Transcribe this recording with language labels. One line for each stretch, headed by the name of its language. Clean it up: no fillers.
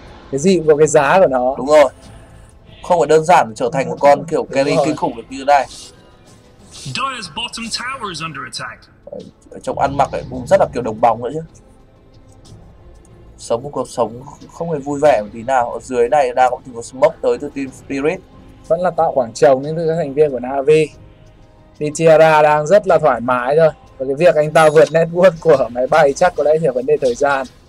Vietnamese: Cái gì cũng có cái giá của nó. Đúng rồi. Không phải đơn giản trở thành một con kiểu carry kinh khủng được như thế này.
English: Dire's bottom tower is under attack.
Vietnamese: Ở trong ăn mặc ấy cũng rất là kiểu đồng bóng nữa chứ. Sống một cuộc sống không hề vui vẻ một tí nào. Ở dưới này đang có tình huống smoke tới từ Team Spirit. Vẫn là tạo khoảng trống đến từ các thành viên của Na'Vi. Thì Tiara đang rất là thoải mái thôi. Và cái việc anh ta vượt network của máy bay chắc có lẽ là vấn đề thời gian.